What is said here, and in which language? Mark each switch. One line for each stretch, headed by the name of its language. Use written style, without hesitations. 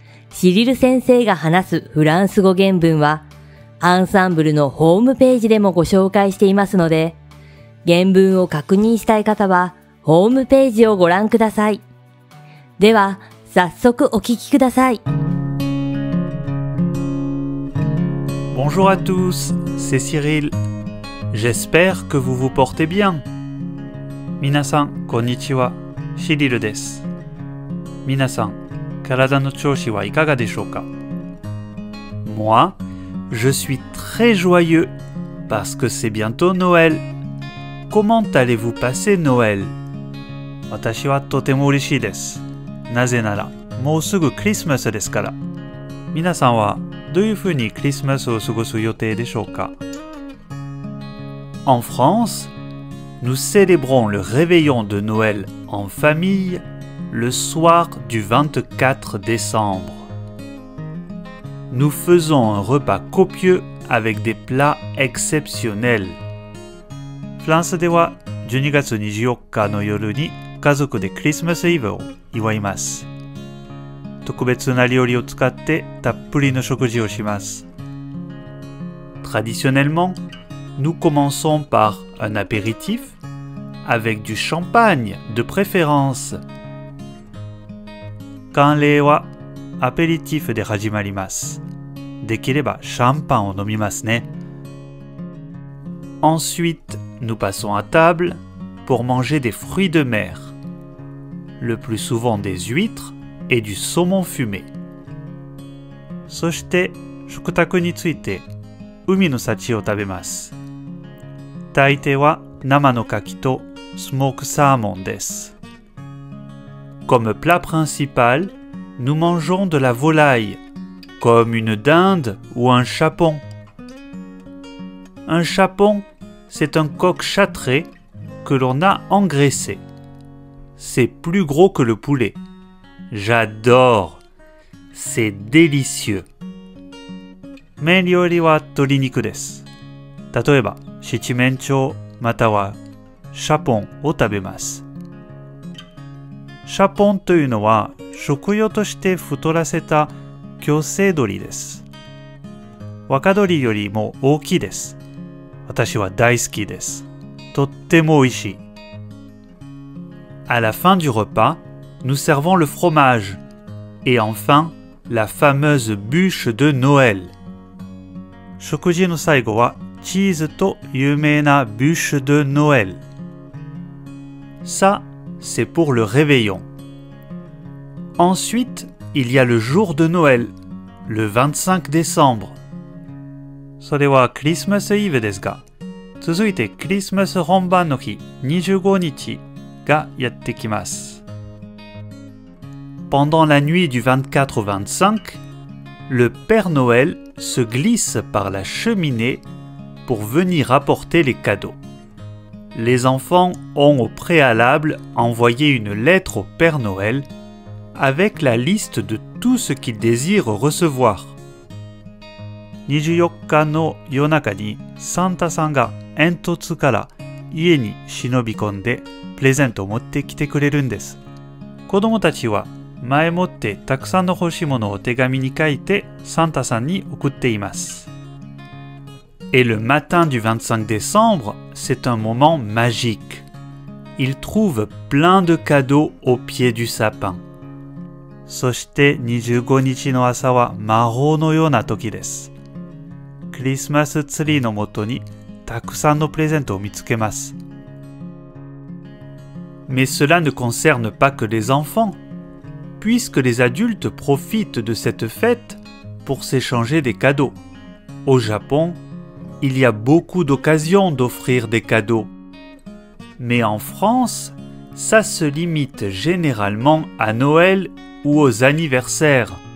Japanese: シリル先生が話すフランス語原文はアンサンブルのホームページでもご紹介していますので、原文を確認したい方はホームページをご覧ください。では早速お聞きください。
French: Bonjour à tous, c'est Cyril. J'espère que vous vous portez bien.
Japanese: 皆さん、こんにちは。シリルです。皆さん、体の調子はいかがでしょうか?
French: Moi, je suis très joyeux parce que c'est bientôt Noël. Comment allez-vous passer Noël?
Japanese: 私はとても嬉しいです。なぜなら、もうすぐクリスマスですから。皆さんは、どういうふうにクリスマスを過ごす予定でしょうか?
French: En France, nous célébrons le réveillon de Noël en famille le soir du 24 décembre. Nous faisons un repas copieux avec des plats exceptionnels.
Japanese: フランスでは、12月24日の夜に、家族でクリスマスイブを祝います。特別な料理を使ってたっぷりの食事をします。
French: Traditionnellement, nous commençons par un apéritif avec du champagne de préférence.
Japanese: 慣例はアペリティフで始まります。できればシャンパンを飲みますね。
French: Ensuite, nous passons à table pour manger des fruits de mer. Le plus souvent des huîtres et du saumon fumé.
Japanese: そして食卓について海の幸を食べます。大抵は生の牡蠣とスモークサーモンです。
French: Comme plat principal, nous mangeons de la volaille, comme une dinde ou un chapon. Un chapon, c'est un coq châtré que l'on a engraissé. C'est plus gros que le poulet. J'adore. C'est délicieux.
Japanese: メイン料理は鶏肉です。例えば、七面鳥またはシャポンを食べます。シャポンというのは食用として太らせた強制鶏です。若鶏よりも大きいです。私は大好きです。とっても美味しい。
French: À la fin du repas, nous servons le fromage et enfin la fameuse bûche de Noël.
Japanese: 食事の最後はチーズと有名な bûche de Noël.
French: Ça, c'est pour le réveillon. Ensuite, il y a le jour de Noël, le 25 décembre.
Japanese: それはクリスマスイブですが、続いてクリスマス本番の日、25日。がやってきます。
French: Pendant la nuit du 24 au 25, le Père Noël se glisse par la cheminée pour venir apporter les cadeaux. Les enfants ont au préalable envoyé une lettre au Père Noël avec la liste de tout ce qu'ils désirent recevoir.
Japanese: 24日の夜中にサンタさんが煙突から家に忍び込んでプレゼントを持ってきてくれるんです。子供たちは前もってたくさんの欲しいものを手紙に書いてサンタさんに送っています。
French: Et le matin du 25 décembre, c'est un moment magique. Ils trouvent plein de cadeaux au pied du sapin.
Japanese: そして25日の朝は魔法のような時です。クリスマスツリーのもとにたくさんのプレゼントを見つけます。
French: Mais cela ne concerne pas que les enfants. puisque les adultes profitent de cette fête pour s'échanger des cadeaux. Au Japon, il y a beaucoup d'occasions d'offrir des cadeaux. Mais en France, ça se limite généralement à Noël ou aux anniversaires.